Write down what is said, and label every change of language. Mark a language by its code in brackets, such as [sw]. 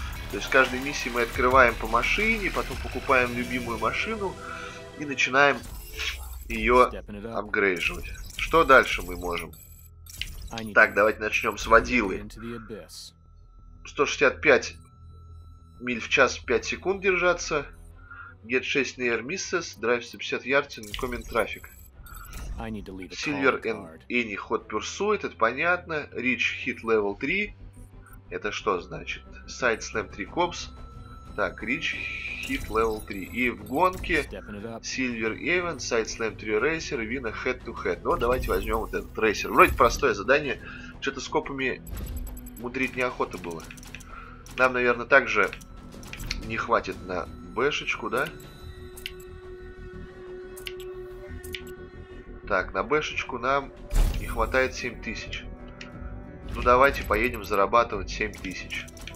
[ru] То есть в каждой миссии мы открываем по машине, потом покупаем любимую машину и начинаем ее апгрейживать. Что дальше мы можем? Так, давайте начнем с водилы. 165 миль в час, 5 секунд держаться. [en] Get 6 near misses, drive 150 yards in common traffic. Silver and any hot pursuit, [ru] это понятно. [en] Rich hit level 3. [ru] Это что значит? [en] Side slam 3 cops. Так, rich hit level 3. [ru] И в гонке [en] Silver Event, side slam 3 racer, win a head to head. [ru] Ну, давайте возьмем вот этот racer. Вроде простое задание. Что-то с копами мудрить неохота было. Нам, наверное, также не хватит на бэшечку, да? Так, на бэшечку нам не хватает 7000. Ну давайте поедем зарабатывать 7000.